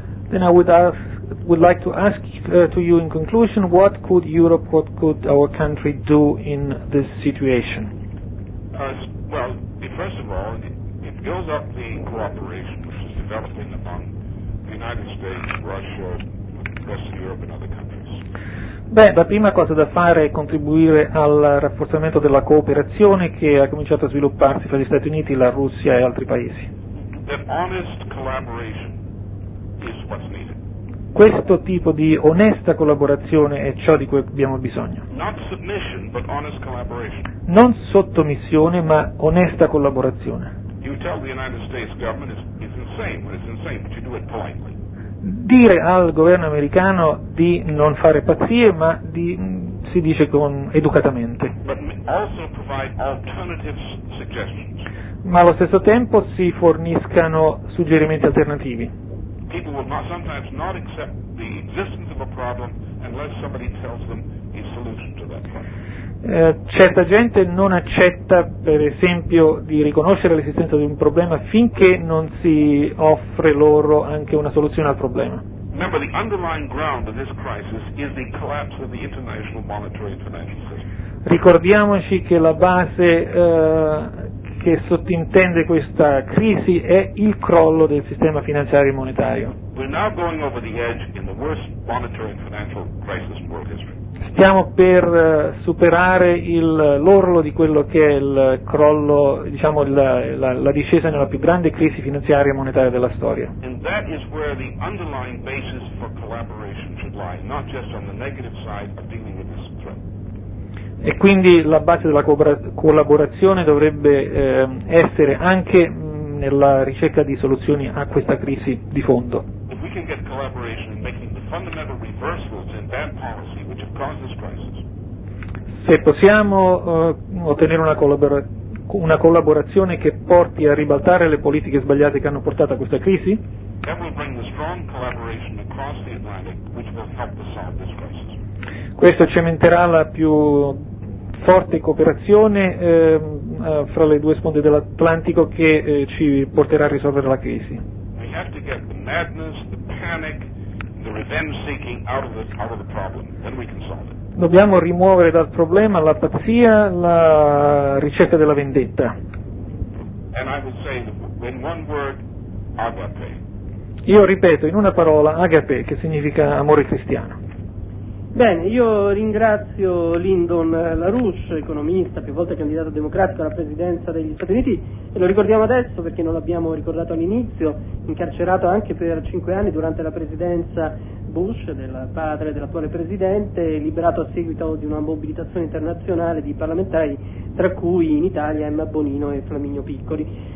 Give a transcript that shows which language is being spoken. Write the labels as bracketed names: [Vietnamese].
[English] Then I would like to ask you in conclusion, what could Europe, what could our country do in this situation? First of all, it builds up the cooperation which is developing among the United States, Russia, Western Europe and other countries. [Italian] Beh, la prima cosa da fare è contribuire al rafforzamento della cooperazione che ha cominciato a svilupparsi fra gli Stati Uniti, la Russia e altri paesi. [English] That honest collaboration is what's needed. [Italian] Questo tipo di onesta collaborazione è ciò di cui abbiamo bisogno. [English] Not submission, but honest collaboration. [Italian] Non sottomissione, ma onesta collaborazione. [English] You tell the United States government it's insane, but it's insane, but you do it politely. [Italian] Dire al governo americano di non fare pazzie, ma di, si dice con educatamente. [English] But also provide alternative suggestions. [Italian] Ma allo stesso tempo si forniscano suggerimenti alternativi. [English] People will sometimes not accept the existence of a problem unless somebody tells them a solution to that problem. [Italian] Certa gente non accetta, per esempio, di riconoscere l'esistenza di un problema finché non si offre loro anche una soluzione al problema. [English] Remember, the underlying ground of this crisis is the collapse of the international monetary and financial system. [Italian] Ricordiamoci che la base che sottintende questa crisi è il crollo del sistema finanziario e monetario. [English] We're now going over the edge in the worst monetary and financial crisis in world history. [Italian] Stiamo per superare l'orlo di quello che è il crollo, diciamo la discesa nella più grande crisi finanziaria e monetaria della storia. [English] And that is where the underlying basis for collaboration should lie, not just on the negative side of dealing with this threat. [Italian] E quindi la base della collaborazione dovrebbe essere anche nella ricerca di soluzioni a questa crisi di fondo. [English] If we can get collaboration in making the fundamental reversals in bad policy which have caused this crisis. [Italian] Se possiamo ottenere una collaborazione che porti a ribaltare le politiche sbagliate che hanno portato a questa crisi, [English] that will bring the strong collaboration across the Atlantic which will help to solve this crisis. [Italian] Questo cementerà la più forte cooperazione fra le due sponde dell'Atlantico che ci porterà a risolvere la crisi. [English] We have to get the madness, the panic, the revenge seeking out of the problem, then we can solve it. [Italian] Dobbiamo rimuovere dal problema la pazzia, la ricerca della vendetta. [English] And I would say in one word, agape. [Italian] Io ripeto in una parola agape, che significa amore cristiano. Bene, io ringrazio Lyndon LaRouche, economista, più volte candidato democratico alla presidenza degli Stati Uniti, e lo ricordiamo adesso perché non l'abbiamo ricordato all'inizio, incarcerato anche per 5 anni durante la presidenza Bush, del padre dell'attuale presidente, liberato a seguito di una mobilitazione internazionale di parlamentari, tra cui in Italia Emma Bonino e Flaminio Piccoli.